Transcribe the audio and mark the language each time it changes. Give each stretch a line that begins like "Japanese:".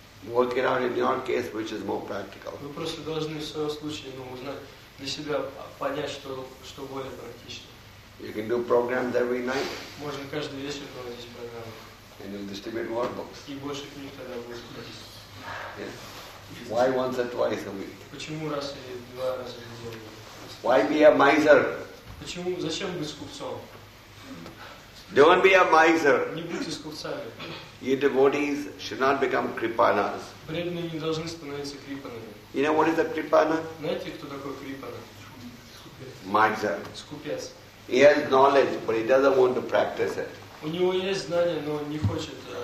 English: Work it out in your case, which is more practical.
Russian: Вы просто должны в своем случае, ну, узнать, для себя понять, что более практично.
English: You can do programs every night.
Russian: Можно каждый вечер проводить программы.
English: And you'll distribute more books.
Russian: И больше книг тогда будет проводить.
English: Why once or twice a week?
Russian: Почему раз или два раза в неделю?
English: Why be a miser?
Russian: Почему, зачем быть скупцом?
English: Don't be a miser.
Russian: Не будьте скупцами.
English: Your devotees should not become kripanas.
Russian: Преданные не должны становиться крипанами.
English: You know what is a kripana?
Russian: Знаете, кто такой крипана?
English: Miser.
Russian: Скупец.
English: He has knowledge, but he doesn't want to practice it.
Russian: У него есть знания, но он не хочет.